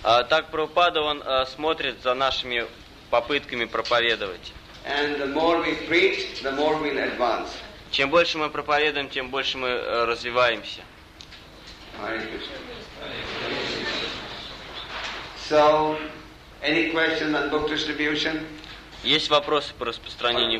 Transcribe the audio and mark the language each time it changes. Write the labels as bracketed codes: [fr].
[ru] Так Прабхупада он смотрит за нашими попытками проповедовать. [en] And the more we preach, the more we advance. [ru] Чем больше мы проповедуем, тем больше мы развиваемся. [en] So, any question on book distribution? [ru] Есть вопросы по распространению